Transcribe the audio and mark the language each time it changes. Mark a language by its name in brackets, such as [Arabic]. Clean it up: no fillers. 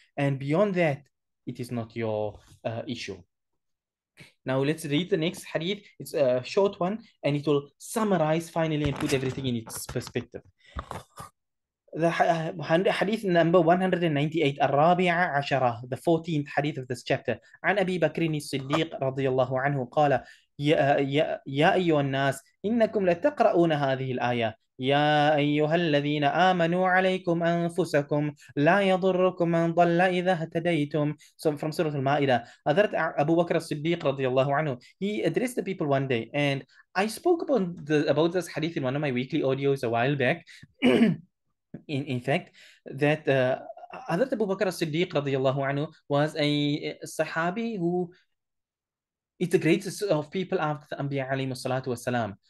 [English] And beyond that, it is not your issue. Now let's read the next hadith. It's a short one, and it will summarize finally and put everything in its perspective. The hadith number 198, [Arabic] الرابعة عشرة, [English] the 14th hadith of this chapter. [Arabic] عن أبي بكر الصديق رضي الله عنه قال يا أيها الناس إنكم لتقرؤون هذه الآية يا أيها الذين آمنوا عليكم أنفسكم لا يضركم من ضل إذا اهتديتم. [English] So from سورة المائدة, حضرت أبو بكر الصديق [Arabic] رضي الله عنه, [English] he addressed the people one day, and I spoke about this hadith in one of my weekly audios a while back. In fact, that Hazrat Abu Bakr as-Siddiq radiyallahu anhu was a Sahabi who is the greatest of people after the Anbiya alayhi salatu wasalam.